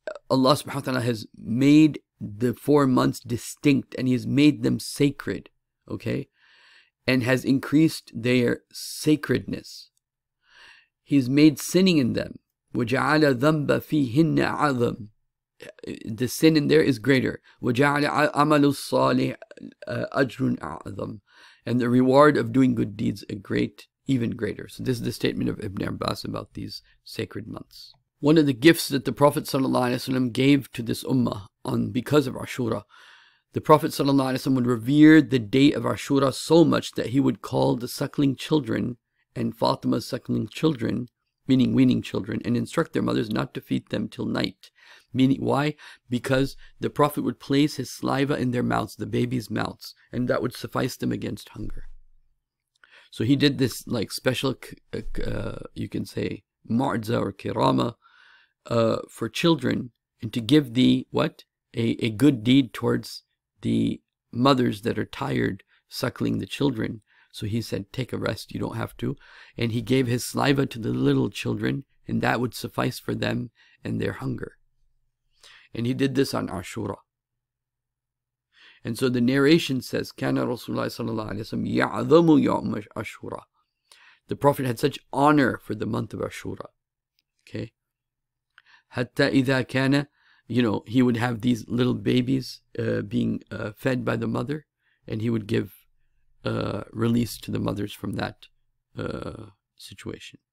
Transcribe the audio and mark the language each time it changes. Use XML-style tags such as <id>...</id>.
<en>Allah subhanahu wa ta'ala has made the 4 months distinct, and he has made them sacred, okay? And has increased their sacredness. He's made sinning in them.</en> <ar>وَجَعَلَ ذَنْبَ فِيهِنَّ عَظَمْ.</ar> <en>The sin in there is greater.</en> <ar>وَجَعَلَ عَمَلُ الصَّالِحِ أَجْرٌ أَعْظَمْ.</ar> <en>And the reward of doing good deeds a great, even greater. So this is the statement of Ibn Abbas about these sacred months. One of the gifts that the Prophet ﷺ gave to this ummah on because of Ashura, the Prophet ﷺ would revere the day of Ashura so much that he would call the suckling children and Fatima's suckling children, meaning weaning children, and instruct their mothers not to feed them till night. Meaning why? Because the Prophet would place his saliva in their mouths, the baby's mouths, and that would suffice them against hunger. So he did this like special, you can say, mu'adza or kirama, for children, and to give the what? A good deed towards the mothers that are tired suckling the children. So he said, take a rest, you don't have to. And he gave his saliva to the little children, and that would suffice for them and their hunger. And he did this on Ashura. And so the narration says,</en> <ar>كان رسول الله صلى الله عليه وسلم يعظم يوم أشورا.</ar> <en>The Prophet had such honor for the month of Ashura. Okay.</en> <ar>Hatta idha kana,</ar> <en>you know, he would have these little babies being fed by the mother, and he would give release to the mothers from that situation.</en>